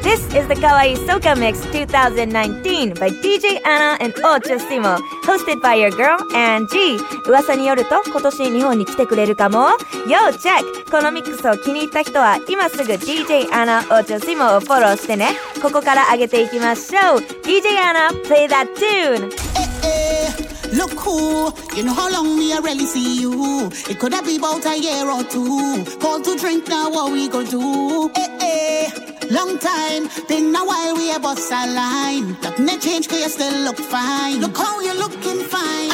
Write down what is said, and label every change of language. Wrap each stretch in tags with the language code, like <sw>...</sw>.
<en>This is the Kawaii Soca Mix 2019 by DJ Anna and Ultra Simmo, hosted by your girl, Angie.</en> <ja>噂によると今年日本に来てくれるかも?</ja> <en>Yo, check!</en> <ja>このミックスを気に入った人は今すぐ DJ Anna Ultra Simmo をフォローしてね。ここから上げていきましょう。</ja> <en>DJ Anna, play that tune! Look cool, you know how long me I rarely see you. It coulda be about a year or two. Call to drink now, what we gon' do? Hey, hey, long time, been a while we a bust a line. Nothing a change, cause you still look fine. Look how you're looking fine.</en>